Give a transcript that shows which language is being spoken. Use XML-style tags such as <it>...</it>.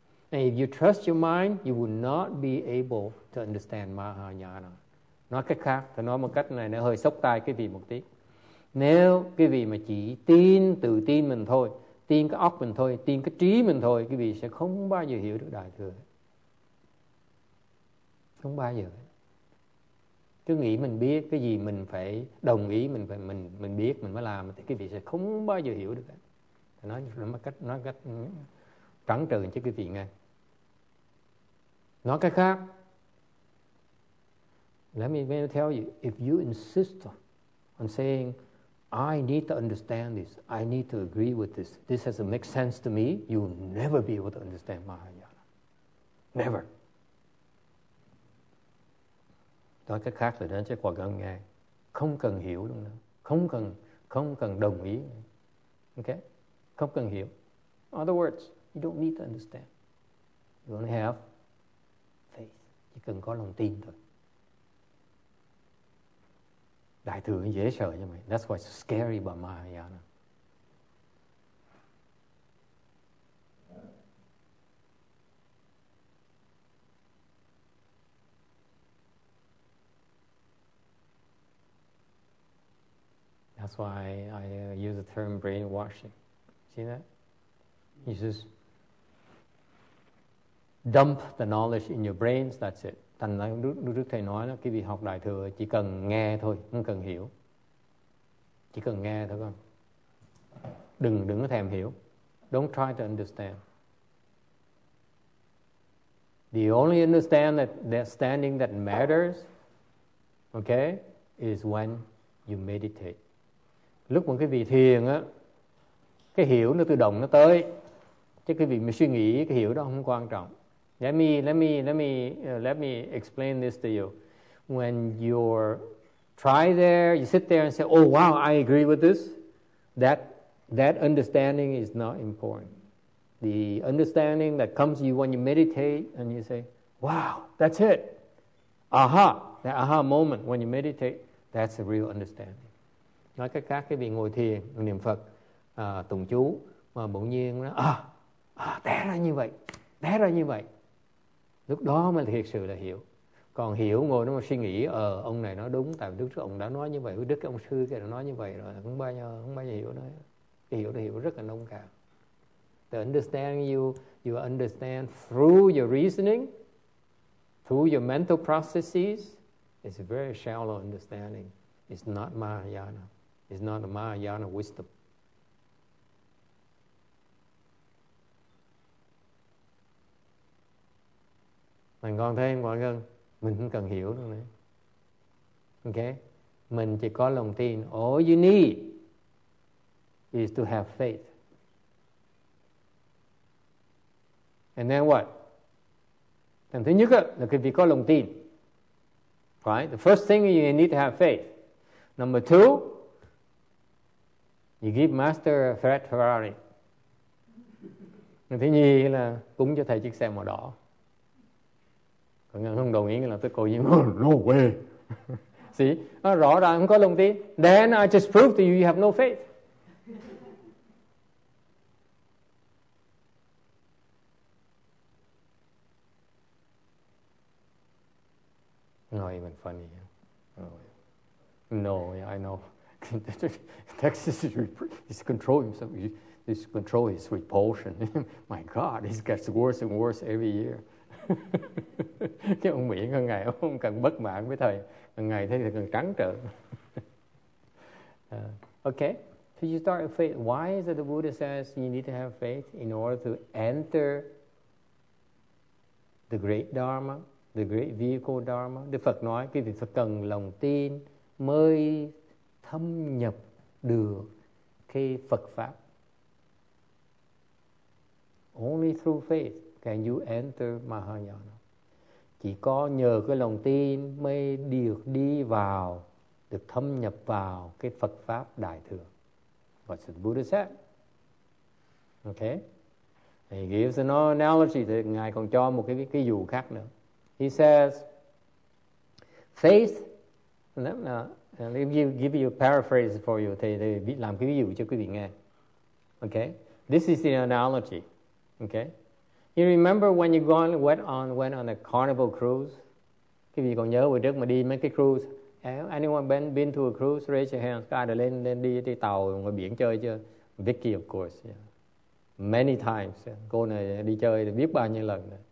<en>And if you trust your mind, you will not be able to understand Mahayana.</en> <vi>Nói cách khác, tôi nói một cách này nó hơi sốc tai cái vị một tí. Nếu cái vị mà chỉ tin, tự tin mình thôi, tin cái óc mình thôi, tin cái trí mình thôi, cái vị sẽ không bao giờ hiểu được Đại Thừa. Không bao giờ. Cứ nghĩ mình biết cái gì mình phải đồng ý, mình biết mình mới làm, thì cái vị sẽ không bao giờ hiểu được. Nói cách trắng trợn cho cái vị nghe. Nói cái khác.</vi> <en>Let me tell you, if you insist on saying, I need to understand this, I need to agree with this, this has to make sense to me, you'll never be able to understand Mahayana. Never.</en> <vi>Nói cái khác là nó sẽ quả gần nghe. Không cần hiểu luôn nữa. Không cần đồng ý. Okay? Không cần hiểu.</vi> <en>In other words, you don't need to understand. You only have faith.</en> <vi>Chỉ cần có lòng tin thôi. Đại thừa dễ sợ cho mày.</vi> <en>That's why it's scary about Mahayana. That's why I use the term brainwashing. See that? You just dump the knowledge in your brains, that's it.</en> <vi>Thành ra Đức Thầy nói là cái vị học Đại Thừa chỉ cần nghe thôi, không cần hiểu. Chỉ cần nghe thôi con. Đừng có thèm hiểu.</vi> <en>Don't try to understand. The only understand that standing that matters, okay, is when you meditate.</en> <vi>Lúc mà cái vị thiền á, cái hiểu nó tự động nó tới. Chứ cái vị mới suy nghĩ, cái hiểu đó không quan trọng.</vi> <en>Let me explain this to you. When you're try there, you sit there and say, "Oh wow, I agree with this." That understanding is not important. The understanding that comes to you when you meditate and you say, "Wow, that's it." Aha, that aha moment when you meditate, that's a real understanding.</en> <vi>Nói cách khác, cái vị ngồi thiền niệm Phật, tụng chú mà bỗng nhiên nó té ra như vậy. Lúc đó mới thiệt sự là hiểu. Còn hiểu ngồi nó mà suy nghĩ, ông này nói đúng, tại vì Đức ông đã nói như vậy, với Đức ông sư kia đã nói như vậy rồi, không bao giờ hiểu nó. Hiểu thì hiểu rất là nông cạn.</vi> <en>To understand you understand through your reasoning, through your mental processes, it's a very shallow understanding. It's not Mahayana. It's not a Mahayana wisdom.</en> <vi>Mình còn thêm quả gân, mình không cần hiểu đâu nữa.</vi> <en>Okay?</en> <vi>Mình chỉ có lòng tin.</vi> <en>All you need is to have faith. And then what?</en> <vi>Thằng thứ nhất là cái việc có lòng tin.</vi> <en>Right? The first thing you need to have faith. Number two, you give Master Fred Ferrari.</en> <vi>Thứ nhì là cúng cho thầy chiếc xe màu đỏ. Còn không đồng ý là tôi cầu nguyện.</vi> <en>No way.</en> <vi>See, rõ ràng không có lòng tin.</vi> <en>Then I just proved to you you have no faith. Not even funny. No, yeah, I know. Texas is controlling himself. He's controlling his repulsion. My God, it gets worse and worse every year.</en> <vi>Cái ông Mỹ càng ngày ông càng bất mãn với thầy, càng ngày thấy thầy càng trắng trợn.</vi> <en>Okay, so you start with faith. Why is it the Buddha says you need to have faith in order to enter the great Dharma, the great vehicle Dharma?</en> <vi>Đức Phật nói quý vị phải cần lòng tin mới thâm nhập được cái Phật Pháp.</vi> <en>Only through faith can you enter Mahayana.</en> <vi>Chỉ có nhờ cái lòng tin mới được đi vào, được thâm nhập vào cái Phật Pháp Đại Thừa.</vi> <en>What's the Buddha said?</en> <vi>Okay?</vi> <en>He gives an analogy.</en> <vi>Thì Ngài còn cho một cái dụ khác nữa.</vi> <en>He says, faith, let me give you a paraphrase for you.</en> <vi>Thầy làm cái ví dụ cho quý vị nghe.</vi> <en>Okay? This is the analogy. Okay? You remember when you went on a carnival cruise?</en> <vi>Quý vị còn nhớ hồi trước mà đi mấy cái cruise?</vi> <en>Anyone been to a cruise? Raise your hands.</en> <vi>Cái lên lên đi đi tàu ngoài biển chơi chưa?</vi> <en>Vicky, of course. Yeah. Many times. Yeah.</en> <vi>Cô này đi chơi biết bao nhiêu lần.</vi>